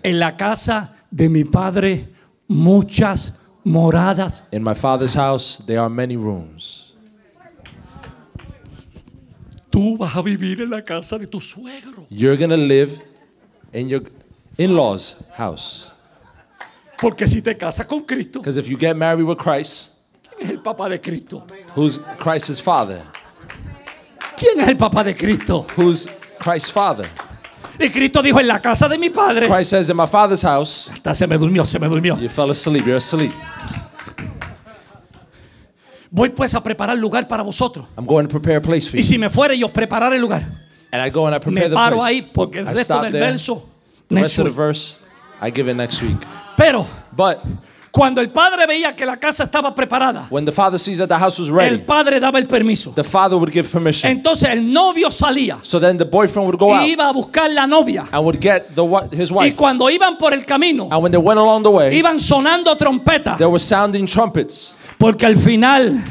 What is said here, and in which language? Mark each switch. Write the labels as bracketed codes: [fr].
[es] En la casa de mi padre, muchas moradas. [en] In my father's house, there are many rooms. [es] Tú vas a vivir en la casa de tu suegro. [en] You're going to live in your in-law's house. [es] Porque si te casas con Cristo. [en] Because if you get married with Christ. [es] ¿Quién es el papá de Cristo? [en] Who's Christ's father? [es] ¿Quién es el papá de Cristo? [en] Who's Christ's father? [es] Y Cristo dijo, en la casa de mi padre. [en] Christ says, in my father's house. [es] Hasta se me durmió. [en] You fell asleep, you're asleep. [es] Voy pues a preparar lugar para vosotros. [en] I'm going to prepare a place for you. [es] Y si me fuere, yo prepararé el lugar. [en] And I go and I prepare the place. [es] Me paro ahí porque el resto del verso. [en] The rest of the verse, I give it next week. [es] Pero, [en] but [es] cuando el padre veía que la casa estaba preparada, [en] when the father sees that the house was ready, [es] el padre daba el permiso. [en] The father would give permission. [es] Entonces el novio salía. [en] So then the boyfriend would go [es] y iba [en] out [es] a buscar la novia. [en] And would get his wife. [es] Y cuando iban por el camino, [en] and when they went along the way, [es] iban sonando trompetas. [en] They were sounding trumpets. [es] Porque al final